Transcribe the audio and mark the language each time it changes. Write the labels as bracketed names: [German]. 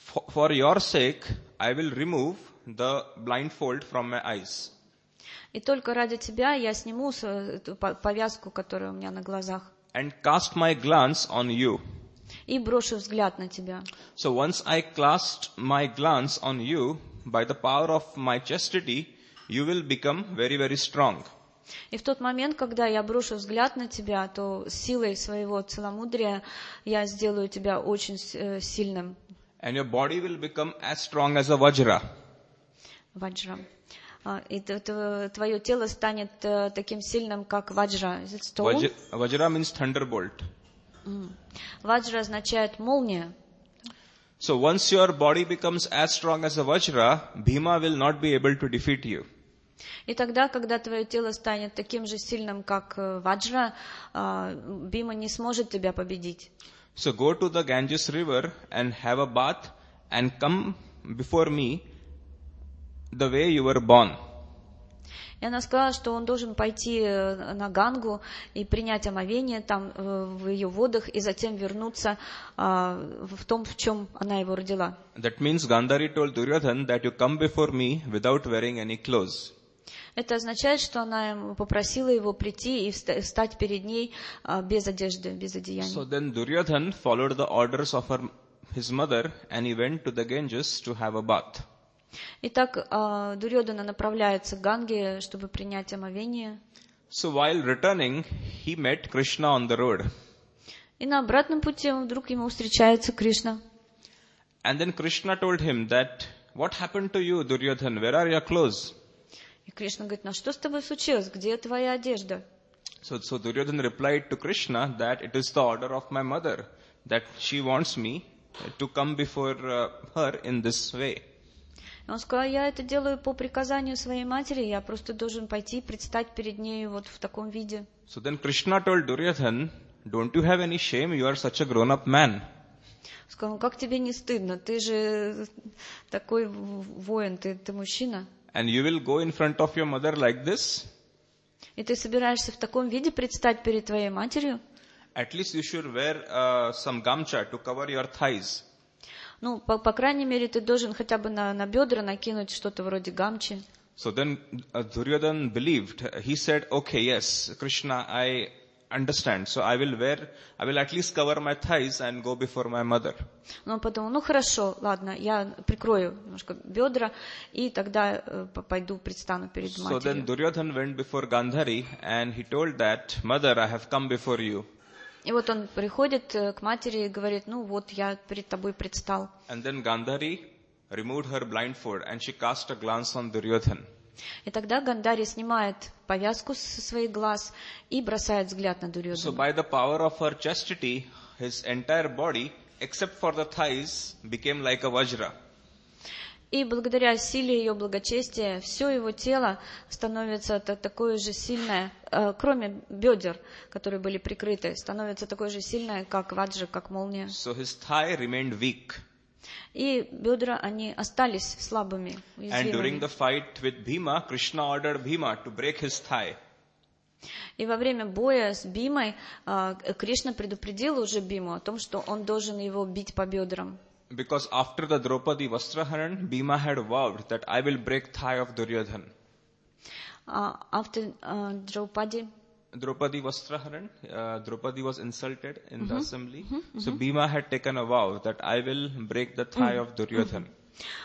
[English] For your sake, I will remove the blindfold from my eyes. [Russian] И только ради тебя я сниму эту повязку, которая у меня на глазах. [English] And cast my glance on you. [Russian] И брошу взгляд на тебя. [English] So once I cast my glance on you, by the power of my chastity, you will become very, very strong. [Russian] И в тот момент, когда я брошу взгляд на тебя, то силой своего целомудрия я сделаю тебя очень сильным. [English] And your body will become as strong as a vajra. Vajra. [Russian] И твое тело станет таким сильным, как vajra. [English] Is it stone? Vajra means thunderbolt. [Russian] Vajra означает молния. [English] So once your body becomes as strong as a vajra, Bhima will not be able to defeat you. [Russian] И тогда, когда твое тело станет таким же сильным, как vajra, Бхима не сможет тебя победить. [English] So go to the Ganges river and have a bath and come before me the way you were born. [Russian] И она сказала, что он должен пойти на Гангу и принять омовение там в ее водах и затем вернуться в том, в чем она его родила. [English] That means Gandhari told Duryodhan that you come before me without wearing any clothes. [Russian] Это означает, что она попросила его прийти и встать перед ней без одежды, без одеяния. [English] So then Duryodhan followed the orders of his mother and he went to the Ganges to have a bath. [Russian] Итак, Дурьодхана направляется к Ганге, чтобы принять омовение. [English] So while returning, he met Krishna on the road. [Russian] И на обратном пути вдруг ему встречается Кришна. [English] And then Krishna told him that, what happened to you, Duryodhan? Where are your clothes? [Russian] И Кришна говорит, ну что с тобой случилось? Где твоя одежда? [English] So Duryodhan replied to Krishna that it is the order of my mother, that she wants me to come before her in this way. [Russian] Он сказал, я это делаю по приказанию своей матери, я просто должен пойти и предстать перед ней вот в таком виде. [English] So then Krishna told Duryodhan, don't you have any shame, you are such a grown-up man. [Russian] Он сказал, как тебе не стыдно, ты же такой воин, ты мужчина. [English] And you will go in front of your mother like this? [Russian] И ты собираешься в таком виде предстать перед твоей матерью? [English] At least you should wear some gamcha to cover your thighs. [Russian] Ну, по крайней мере, ты должен хотя бы на бедра накинуть что-то вроде гамчи. [English] So then Duryodhan believed. He said, okay, yes, Krishna, I understand. So I will at least cover my thighs and go before my mother. [Russian] Ну, он подумал, ну хорошо, ладно, я прикрою немножко бедра и тогда пойду предстану перед матерью. [English] So then Duryodhan went before Gandhari and he told that, mother, I have come before you. [Russian] И вот он приходит к матери и говорит, ну вот, я перед тобой предстал. [English] And then Gandhari removed her blindfold and she cast a glance on Duryodhan. [Russian] И тогда Гандхари снимает повязку со своих глаз и бросает взгляд на Дурьодхана. [English] So by the power of her chastity, his entire body, except for the thighs, became like a vajra. [Russian] И благодаря силе ее благочестия, все его тело становится такое же сильное, кроме бедер, которые были прикрыты, становится такое же сильное, как ваджа, как молния. [English] So his thigh remained weak. [Russian] И бедра, они остались слабыми, уязвимыми. [English] And during the fight with Bhima, Krishna ordered Bhima to break his thigh. [Russian] И во время боя с Бхимой, Кришна предупредил уже Бхиму о том, что он должен его бить по бедрам. [English] Because after the Draupadi Vastraharan, Bhima had vowed that I will break thigh of Duryodhan. After Draupadi? Draupadi Vastraharan, Draupadi was insulted in the assembly. Mm-hmm. So Bhima had taken a vow that I will break the thigh of Duryodhan. Mm-hmm.